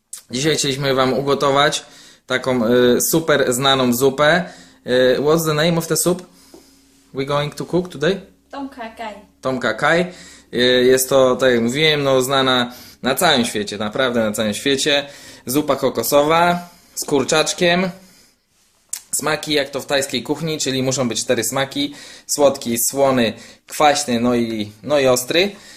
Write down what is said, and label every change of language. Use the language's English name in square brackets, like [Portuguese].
[Polish] Dzisiaj chcieliśmy wam ugotować taką super znaną zupę. [English] What's the name of the soup we going to cook today? [Thai] Tom Kha Kai. Tom Kha Kai. [Polish] Jest to, tak jak mówiłem, no, znana na całym świecie, naprawdę na całym świecie. Zupa kokosowa z kurczaczkiem. Smaki jak to w tajskiej kuchni, czyli muszą być cztery smaki: słodki, słony, kwaśny, no i ostry.